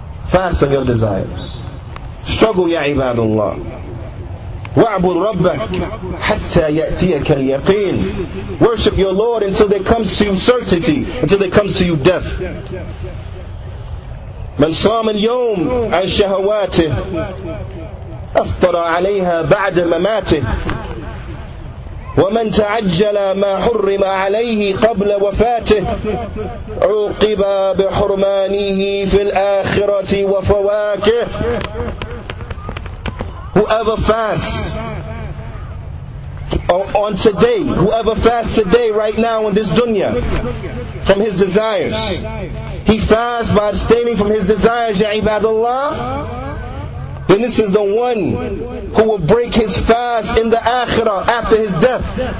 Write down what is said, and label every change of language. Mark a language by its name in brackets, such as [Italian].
[English] Fast on your desires. Struggle, [Arabic] ya ibadullah. Wa'bud rabbak hatta ya'tiyaka al-yaqin. [English] Worship your Lord until there comes to you certainty, until there comes to you death. [Arabic] من صام اليوم عن شهواته أفطر عليها بعد مماته ومن تعجل ما حرم عليه قبل وفاته عوقب بحرمانه في الآخرة وفواكه. [English] Whoever fasts on today, whoever fasts today right now in this dunya from his desires, he fasts by abstaining from his desires, [Arabic] ya ibadullah, [English] then this is the one who will break his fast in the akhirah after his death.